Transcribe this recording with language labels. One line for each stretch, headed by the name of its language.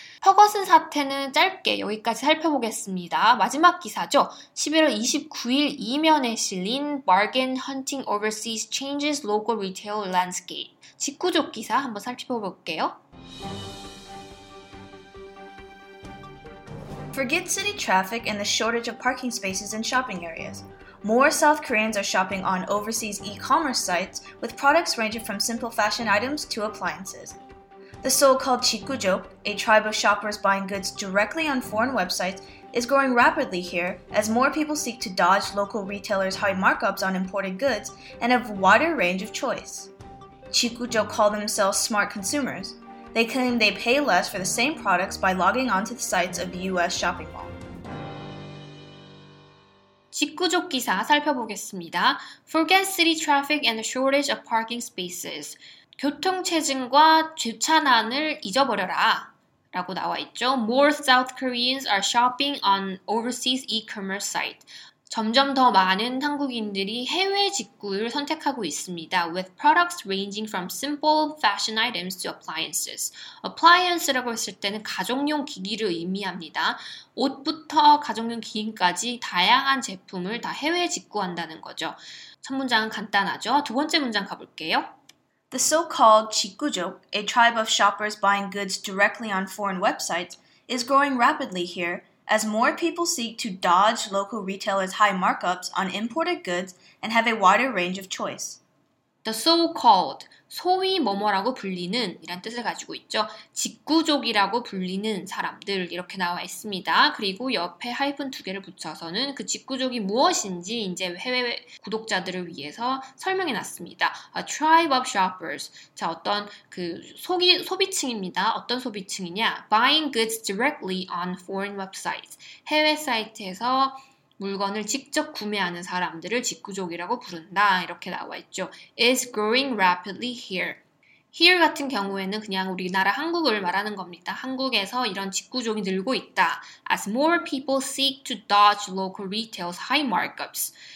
Korean: 퍼거슨 사태는 짧게 여기까지 살펴보겠습니다. 마지막 기사죠. 11월 29일 이면에 실린
English: Bargain Hunting Overseas Changes Local Retail Landscape.
Korean: 직구족 기사 한번 살펴볼게요.
English: Forget city traffic and the shortage of parking spaces in shopping areas. More South Koreans are shopping on overseas e-commerce sites with products ranging from simple fashion items to appliances. The so-called 직구족, a tribe of shoppers buying goods directly on foreign websites, is growing rapidly here as more people seek to dodge local retailers' high markups on imported goods and have a wider range of choice. 직구족 call themselves smart consumers. They claim they pay less for the same products by logging onto the sites of U.S. shopping mall.
Korean: 직구족 기사 살펴보겠습니다.
English: Forget city traffic and the shortage of parking spaces.
Korean: 교통 체증과 주차난을 잊어버려라. 라고 나와 있죠.
English: More South Koreans are shopping on overseas e-commerce sites.
Korean: 점점 더 많은 한국인들이 해외 직구를 선택하고 있습니다.
English: With products ranging from simple fashion items to appliances.
Korean: Appliance라고 했을 때는 가정용 기기를 의미합니다. 옷부터 가정용 기기까지 다양한 제품을 다 해외 직구한다는 거죠. 첫 문장은 간단하죠. 두 번째 문장 가볼게요.
English: The so-called 직구족, a tribe of shoppers buying goods directly on foreign websites, is growing rapidly here. As more people seek to dodge local retailers' high markups on imported goods and have a wider range of choice. The so-called,
Korean: 소위 뭐뭐라고 불리는 이란 뜻을 가지고 있죠. 직구족이라고 불리는 사람들 이렇게 나와 있습니다. 그리고 옆에 하이픈 두 개를 붙여서는 그 직구족이 무엇인지 이제 해외 구독자들을 위해서 설명해 놨습니다.
English: A tribe of shoppers.
Korean: 자, 어떤 그 소비층입니다. 어떤 소비층이냐?
English: Buying goods directly on foreign websites.
Korean: 해외 사이트에서 물건을 직접 구매하는 사람들을 직구족이라고 부른다 이렇게 나와 있죠.
English: Is growing rapidly here.
Korean: Here 같은 경우에는 그냥 우리나라 한국을 말하는 겁니다. 한국에서 이런 직구족이 늘고 있다.
English: As more people seek to dodge local retail's high markups.